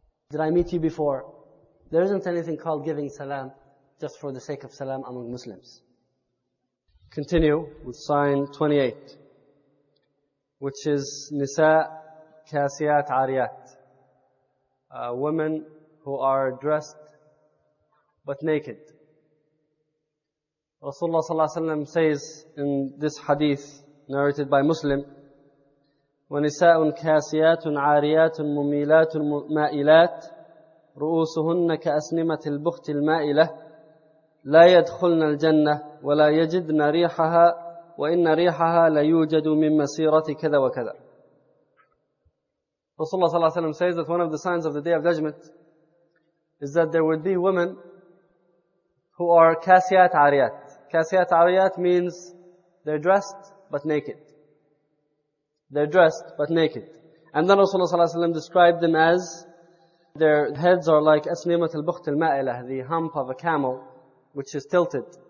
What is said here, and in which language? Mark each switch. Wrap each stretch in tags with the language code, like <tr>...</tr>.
<en>Did I meet you before? There isn't anything called giving salam just for the sake of salam among Muslims. Continue with sign 28, which is Nisa Kasiyat Ariyat. Women who are dressed but naked. Rasulullah sallallahu alayhi wa sallam says in this hadith narrated by Muslim,</en> <ar>وَنِسَاءٌ كَاسِيَاتٌ عَارِيَاتٌ مُمِيلَاتٌ مَائِلَاتٌ رُؤُوسُهُنَّ كَأَسْنِمَةِ الْبُخْتِ الْمَائِلَةِ لَا يَدْخُلْنَ الْجَنَّةِ وَلَا يَجِدْنَ رِيحَهَا وَإِنَّ رِيحَهَا لَيُوجَدُ مِنْ مَسِيرَةِ كَذَا وَكَذَا.</ar> <en>Rasulullah sallallahu alayhi wa sallam says that one of the signs of the Day of Judgment is that there would be women who are kasiyat ariyat. Kasiyat ariyat means they're dressed but naked. They're dressed but naked. And then Rasulullah sallallahu alayhi wa sallam described them as their heads are like</en> <ar>asnimat al-bukht al-ma'ilah,</ar> <en>the hump of a camel which is tilted.</en>